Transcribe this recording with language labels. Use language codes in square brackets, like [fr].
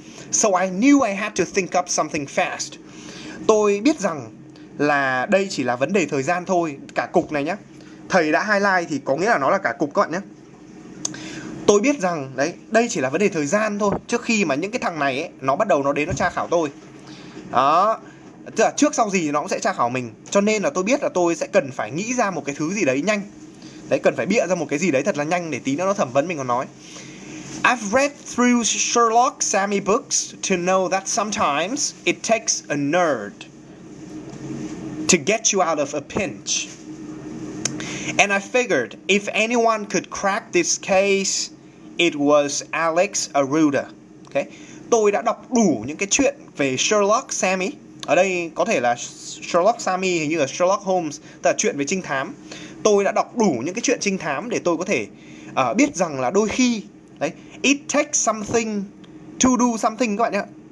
[en] So I knew I had to think up something fast. [vi] Tôi biết rằng là đây chỉ là vấn đề thời gian thôi, cả cục này nhá. Thầy đã highlight thì có nghĩa là nó là cả cục các bạn nhé. Tôi biết rằng đấy, đây chỉ là vấn đề thời gian thôi trước khi mà những cái thằng này ấy, nó bắt đầu nó đến nó tra khảo tôi. Đó, tức là trước sau gì nó cũng sẽ tra khảo mình. Cho nên là tôi biết là tôi sẽ cần phải nghĩ ra một cái thứ gì đấy nhanh. Đấy, cần phải bịa ra một cái gì đấy thật là nhanh để tí nữa nó thẩm vấn mình còn nói. [en] I've read through Sherlock Sammy books to know that sometimes it takes a nerd to get you out of a pinch. And I figured if anyone could crack this case, it was Alex Aruda. Okay. [vi] Tôi đã đọc đủ những cái chuyện về Sherlock Sammy. Ở đây có thể là Sherlock Sammy, hình như là Sherlock Holmes, tức là chuyện về trinh thám. Tôi đã đọc đủ những cái chuyện trinh thám để tôi có thể biết rằng là đôi khi đấy, [en] it takes something to do something [vi] các bạn nhá.